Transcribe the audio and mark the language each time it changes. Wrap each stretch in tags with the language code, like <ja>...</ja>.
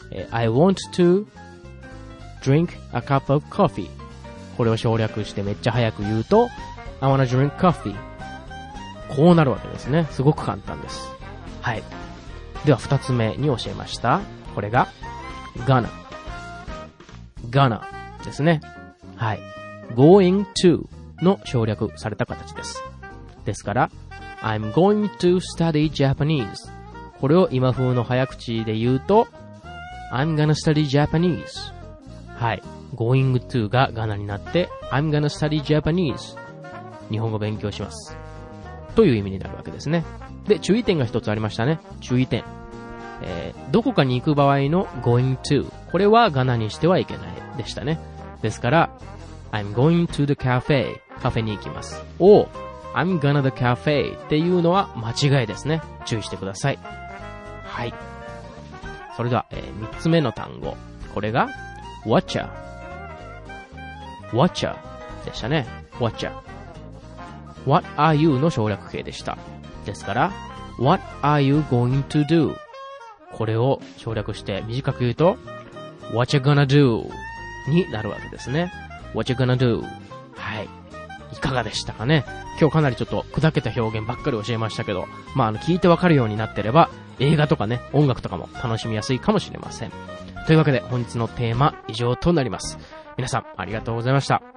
<en>I want to drink a cup of coffee、</en> <ja>これを省略してめっちゃ早く言うと</ja> <en>I wanna drink coffee、</en> <ja>こうなるわけですね。すごく簡単です。はい、では二つ目に教えました、これが gonna、 gonna ですね。はい、going to の省略された形です。</ja> <en>ですから、I'm going to study Japanese。</en> <ja>これを今風の早口で言うと、</ja> <en>I'm gonna study Japanese。</en> <ja>はい。 going to が gonna になって、</ja> <en>I'm gonna study Japanese。</en> <ja>日本語勉強します。という意味になるわけですね。で、注意点が一つありましたね。注意点。どこかに行く場合の going to。これは gonna にしてはいけないでしたね。ですから、</ja> <en>I'm going to the cafe、</en> <ja>カフェに行きます、を</ja> <en>I'm gonna the cafe</en> <ja>っていうのは間違いですね。注意してください。はい、それでは、3つ目の単語、これが Watcher、 Watcher でしたね。 Watcher、 What are you の省略形でした。ですから</ja> <en>What are you going to do、</en> <ja>これを省略して短く言うと</ja> <en>What you gonna do</en> <ja>になるわけですね。</ja> <en>What you gonna do?</en> <ja>はい、いかがでしたかね。今日かなりちょっと砕けた表現ばっかり教えましたけど、まあ、聞いてわかるようになってれば映画とかね、音楽とかも楽しみやすいかもしれません。というわけで本日のテーマ以上となります。皆さんありがとうございました。</ja>